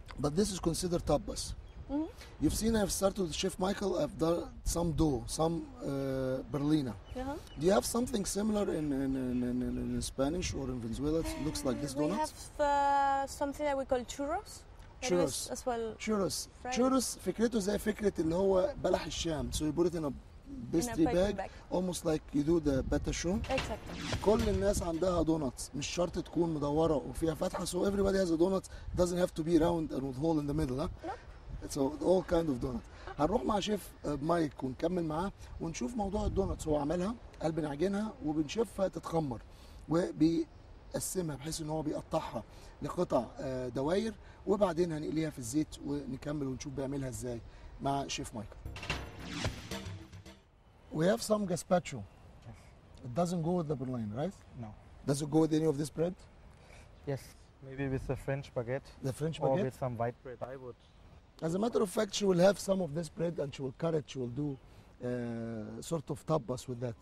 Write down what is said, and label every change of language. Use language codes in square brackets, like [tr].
[en] But this is considered tapas. Mm-hmm. You've seen I've started with Chef Michael. I've done some dough, some berlina. Uh-huh. Do you have something similar in Spanish or in Venezuela? It looks like this donut. We have something that we call churros. Churros. As well. Churros. Fried. Churros. [ar] فكرته زي فكرة اللي هو بلح الشام. [en] So you put it in a pastry bag, almost like you do the باتاشو. Exactly. [ar] كل الناس عندها دوناتس، مش شرط تكون مدوره وفيها فتحه. [en] So everybody has a donut, doesn't have to be round and with hole in the middle. Huh? No. It's all kind of donut. [ar] هنروح مع شيف مايك ونكمل معاه ونشوف موضوع الدوناتس. هو عملها، قال بنعجنها وبنشفها تتخمر وبيقسمها بحيث ان هو بيقطعها لقطع دواير، وبعدين هنقليها في الزيت ونكمل ونشوف بيعملها ازاي مع شيف مايك. [en] We have some gazpacho. Yes. It doesn't go with the berline, right? No. Does it go with any of this bread? Yes, maybe with the French baguette. The French baguette? Or with some white bread, I would. As a matter of fact, she will have some of this bread and she will cut it. She will do sort of tapas with that.